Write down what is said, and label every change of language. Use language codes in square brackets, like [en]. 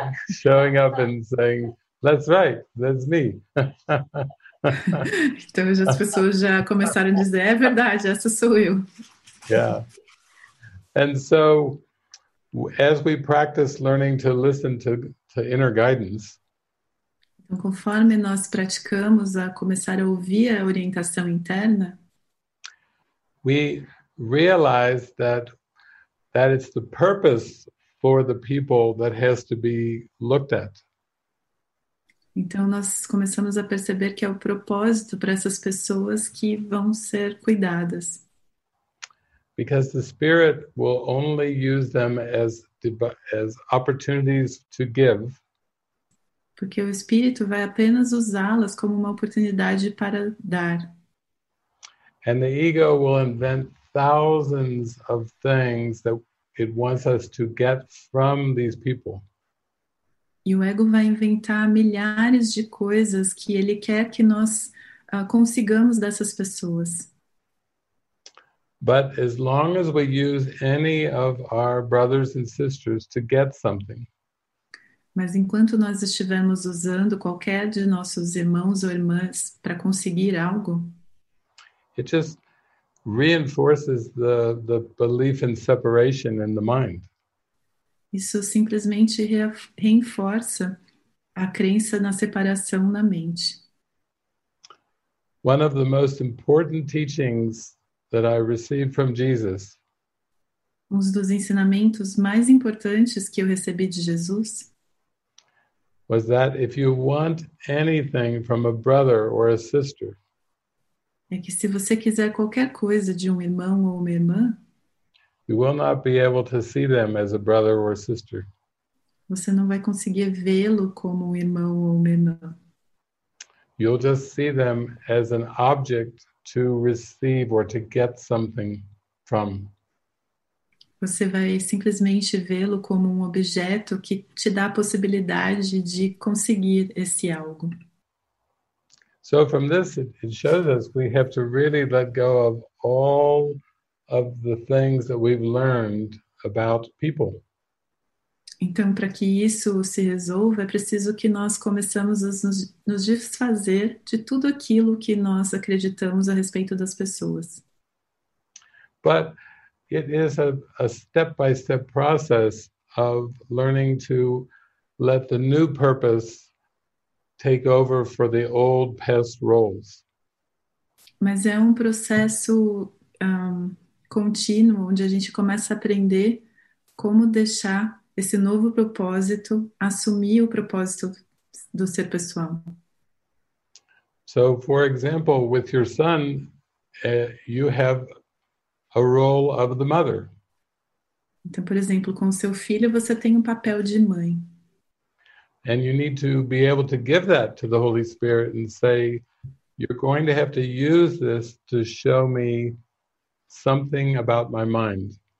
[en] Showing up and saying, "That's right, that's me." [pt] Então as pessoas já começaram a dizer, é verdade, essa sou eu. [en] Yeah. And so as we practice learning to listen to inner guidance. [pt] Então, conforme nós praticamos a começar a ouvir a orientação interna, [en] we realize that it's the purpose for the people that has to be looked at. [pt] Então nós começamos a perceber que é o propósito para essas pessoas que vão ser cuidadas. [en] Because the spirit will only use them as opportunities to give. [pt] Porque o espírito vai apenas usá-las como uma oportunidade para dar. [en] And the ego will invent thousands of things that it wants us to get from these people. [pt] E o ego vai inventar milhares de coisas que ele quer que nós consigamos dessas pessoas. [en] But as long as we use any of our brothers and sisters to get something. [pt] Mas enquanto nós estivermos usando qualquer de nossos irmãos ou irmãs para conseguir algo, [en] it just reinforces the belief in separation in the mind. [pt] Isso simplesmente reforça a crença na separação na mente. [en] One of the most important teachings that I received from Jesus. [pt] Um dos ensinamentos mais importantes que eu recebi de Jesus. [en] Was that if you want anything from a brother or a sister. [pt] É que se você quiser qualquer coisa de um irmão ou uma irmã. [en] You will not be able to see them as a brother or a sister. [pt] Você não vai conseguir vê-lo como um irmão ou uma irmã. [en] You'll just see them as an object to receive or to get something from. [pt] Você vai simplesmente vê-lo como um objeto que te dá a possibilidade de conseguir esse algo. [en] So from this, it shows us we have to really let go of all of the things that we've learned about people. [pt] Então, para que isso se resolva, é preciso que nós começamos a nos desfazer de tudo aquilo que nós acreditamos a respeito das pessoas. [en] But it is a step-by-step process of learning to let the new purpose take over for the old past roles. [pt] Mas é um processo contínuo, onde a gente começa a aprender como deixar esse novo propósito assumir o propósito do ser pessoal. [en] So, for example, with your son, you have a role of the mother. [pt] Então, por exemplo, com o seu filho, você tem um papel de mãe. [en] And you need to be able to give that to the Holy Spirit and say, you're going to have to use this to show me something about my mind.